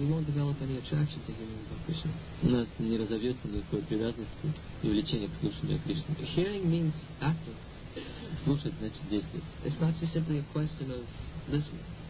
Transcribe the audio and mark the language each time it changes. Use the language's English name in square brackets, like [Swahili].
[English] we won't develop any attraction to hearing about Krishna. [Russian] У нас не разовьется никакой привязанности и влечения к слушанию о Кришне. [English] Hearing means acting. [Russian] Слушать значит действовать. [English] It's not just simply a question of listening.